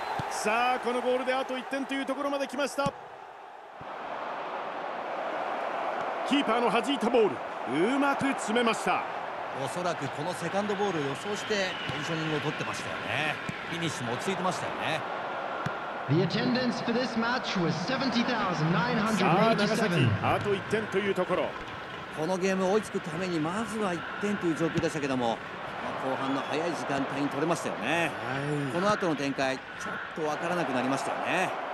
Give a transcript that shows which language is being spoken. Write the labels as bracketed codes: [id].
[ja] さあこのボールであと1点というところまで来ました。キーパーの弾いたボール、うまく詰めました。おそらくこのセカンドボールを予想してポジショニングを取ってましたよね。フィニッシュも落ち着いてましたよね。 [en] The attendance for this match was 70,987. [ja] さあ長崎、あと1点というところ。このゲームを追いつくためにまずは1点という状況でしたけども、まあ、後半の早い時間帯に取れましたよね、はい、この後の展開ちょっと分からなくなりましたよね。